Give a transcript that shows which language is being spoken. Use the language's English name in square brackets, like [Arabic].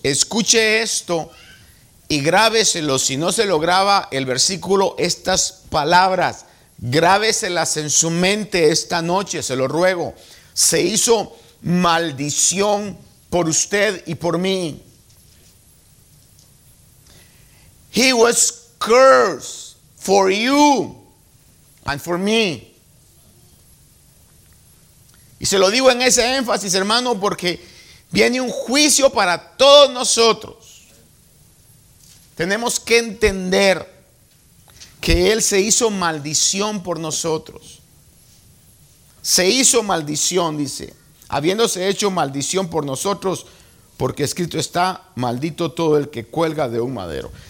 [Spanish] Escuche esto y grábeselo. Si no se lo graba el versículo, estas palabras, grábeselas en su mente esta noche, se lo ruego. Se hizo maldición por usted y por mí. [English] He was cursed for you and for me. [Spanish] Y se lo digo en ese énfasis, hermano, porque viene un juicio para todos nosotros. Tenemos que entender que Él se hizo maldición por nosotros. Se hizo maldición, dice, habiéndose hecho maldición por nosotros, porque escrito está: maldito todo el que cuelga de un madero.